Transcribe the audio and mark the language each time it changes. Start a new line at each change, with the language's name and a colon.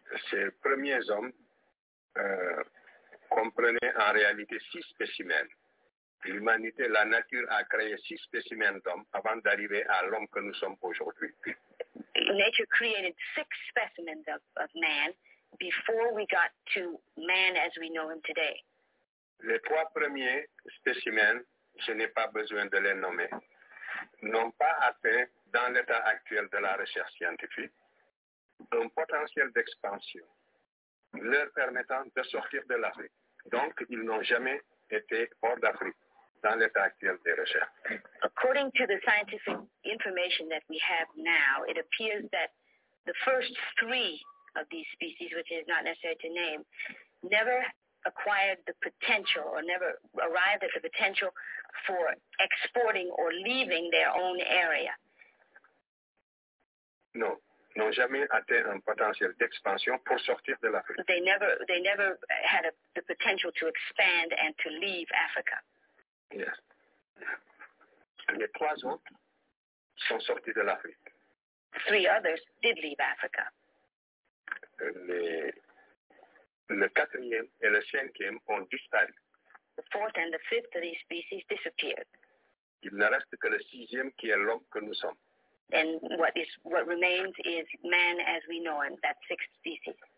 French: Ces premiers hommes comprenaient en réalité six spécimens. L'humanité, la nature a créé six spécimens d'hommes avant d'arriver à l'homme que nous sommes aujourd'hui.
English: Nature created six specimens of man before we got to man as we know him today.
French: Les trois premiers spécimens, je n'ai pas besoin de les nommer, n'ont pas atteint, dans l'état actuel de la recherche scientifique, un potentiel d'expansion leur permettant de sortir de l'Afrique. Donc, ils n'ont jamais été hors d'Afrique dans l'état actuel des recherches.
English: According to the scientific information that we have now, it appears that the first three of these species, which is not necessary to name, never acquired the potential or never arrived at the potential for exporting or leaving their own area. No,
French: n'ont jamais atteint un potentiel d'expansion pour sortir de l'Afrique.
English: They never had the potential to expand and to leave Africa. Yes.
French: Les trois autres sont sortis de l'Afrique.
English: Three others did leave Africa.
French: Le quatrième et le cinquième ont disparu.
English: The fourth and the fifth of these species disappeared.
French: Il ne reste que le sixième qui est l'homme que nous sommes.
English: And what remains is man as we know him, that sixth species.